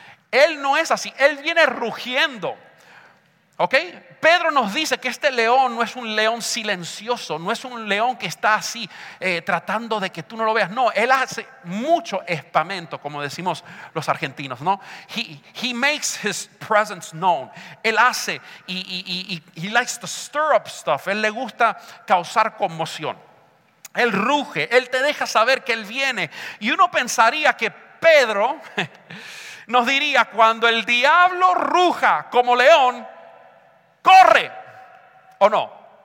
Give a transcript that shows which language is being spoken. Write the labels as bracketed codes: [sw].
[es] Él no es así, él viene rugiendo. ¿Ok? Pedro nos dice que este león no es un león silencioso, no es un león que está así tratando de que tú no lo veas. No, él hace mucho espamento, como decimos los argentinos, ¿no? [en] He makes his presence known. [es] Él hace y [en] he likes to stir up stuff. [es] Él le gusta causar conmoción. Él ruge, él te deja saber que él viene. Y uno pensaría que Pedro nos diría, cuando el diablo ruja como león, ¡corre! ¿O no?